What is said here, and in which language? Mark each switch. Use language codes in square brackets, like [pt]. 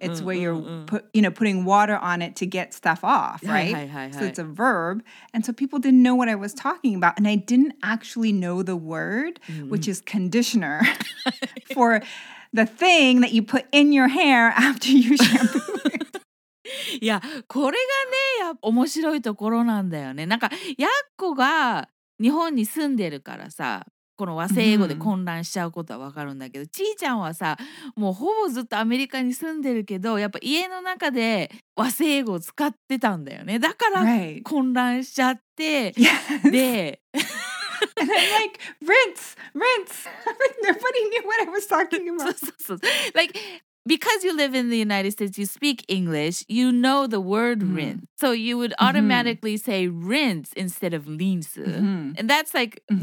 [en] It's where you're, putting water on it to get stuff off, right? So it's a verb. And so people didn't know what I was talking about. And I didn't actually know the word, which is conditioner for the thing that you put in your hair after you shampoo it. [ja] いや、これがね、やっぱ面白いところなんだよね。なんか、やっこが日本に住んでるからさ、この和製英語で混乱しちゃうことはわかるんだけど、うん、ちーちゃんはさ、もうほぼずっとアメリカに住んでるけど、やっぱ家の中で和製英語を使ってたんだよね。だから混乱しちゃって、 [en] right. [ja] で、 [en] And I'm like, rinse! Nobody knew what I was talking about. [ja] そうそうそう。Like, [en] because you live in the United States, you speak English, you know the word rinse. Mm-hmm. So you would automatically mm-hmm. say rinse instead of rinse. Mm-hmm. And that's like, mm-hmm.